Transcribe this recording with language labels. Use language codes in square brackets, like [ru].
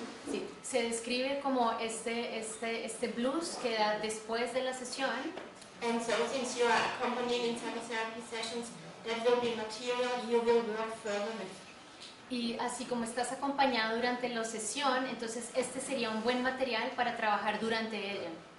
[es] Sí, se describe como este blues que da después de la sesión. [en] And so since you are accompanying in psychotherapy sessions, that will be material you will work further with. [es] Y así como estás acompañado durante la sesión, entonces este sería un buen material para trabajar durante ella.